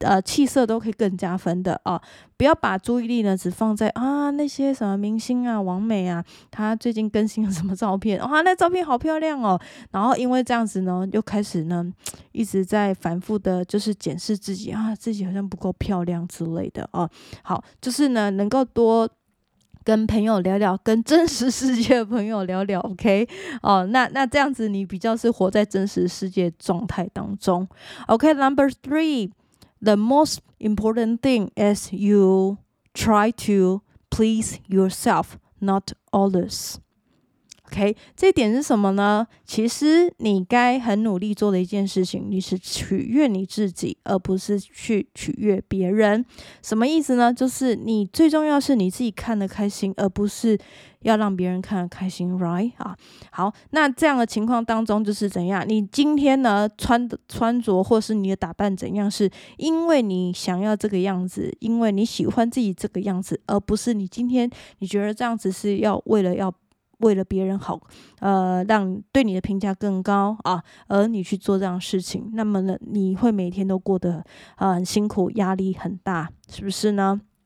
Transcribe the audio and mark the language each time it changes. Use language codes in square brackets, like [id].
[zh] 气色都可以更加分的哦，不要把注意力呢只放在啊那些什么明星啊、网美啊，他最近更新了什么照片，哇，那照片好漂亮哦，然后因为这样子呢又开始呢一直在反复的就是检视自己啊，自己好像不够漂亮之类的哦。好，就是呢能够多跟朋友聊聊，跟真实世界的朋友聊聊， OK 哦，那这样子你比较是活在真实世界状态当中， OK。 [en] Number threeThe most important thing is you try to please yourself, not others. [zh] OK, 这点是什么呢？其实你该很努力做的一件事情，你是取悦你自己，而不是去取悦别人。什么意思呢？就是你最重要是你自己看得开心，而不是要让别人看得开心， right？啊，好，那这样的情况当中就是怎样，你今天呢穿着或是你的打扮怎样，是因为你想要这个样子，因为你喜欢自己这个样子，而不是你今天你觉得这样子是要为了别人好，让对你的评价更高啊，而你去做这样的事情，那么呢你会每天都过得很辛苦，压力很大，是不是呢？